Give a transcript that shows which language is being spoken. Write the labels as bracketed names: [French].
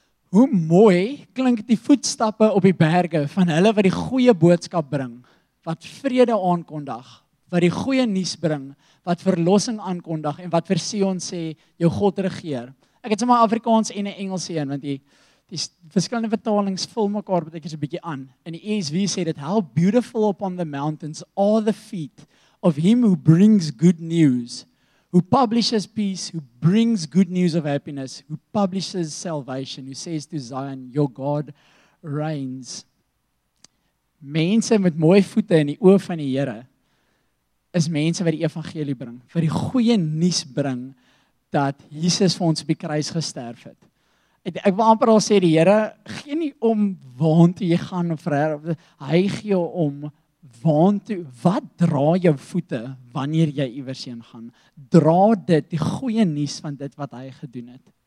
[Afrikaans] Hoe mooi klink die voetstappe op die berge van hulle wat die goeie boodskap bring, wat vrede aankondig, wat die goeie nuus bring, wat verlossing aankondig en wat vir Sion sê, jou God regeer. Ek het sommer Afrikaans en 'n Engelse een, want die verskillende vertalings vul mekaar baie keer so 'n bietjie aan. [English] In die ESV sê dit, how beautiful upon the mountains are the feet of him who brings good news, who publishes peace, who brings good news of happiness, who publishes salvation, who says to Zion, your God reigns. [Afrikaans] Mense met mooi voete in die oë van die Here is mense wat die evangelie bring, vir die goeie nuus bring, dat Jesus vir ons op die kruis gesterf het. Ek wil amper al sê, die Here gee nie om waantoe jy gaan, of hy gee om waantoe, wat dra jou voete, wanneer jy iewers heen gaan, dra dit, die goeie nuus van dit wat hy gedoen het.